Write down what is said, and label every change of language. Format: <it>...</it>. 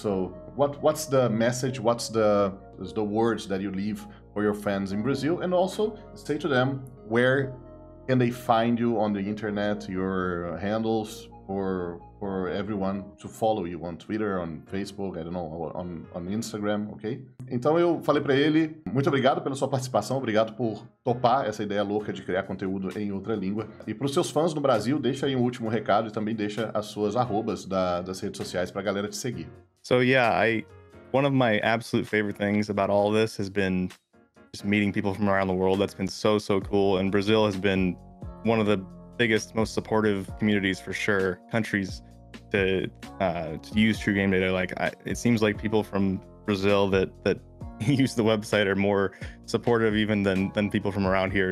<en>So what's the message, what's the words that you leave for your fans in Brazil, and also say to them where can they find you on the internet, your handles, for everyone to follow you on Twitter, on Facebook, I don't know, on Instagram, ok?</en> <pt>Então eu falei pra ele, muito obrigado pela sua participação, obrigado por topar essa ideia louca de criar conteúdo em outra língua. E pros seus fãs no Brasil, deixa aí um último recado e também deixa as suas arrobas das redes sociais pra galera te seguir.</pt> <en>So yeah, one of my absolute favorite things about all this has been just meeting people from around the world. That's been so, so cool. And Brazil has been one of the biggest, most supportive communities for sure, countries to use True Game Data. Like, it seems like people from Brazil that use the website are more supportive even than people from around here.</en>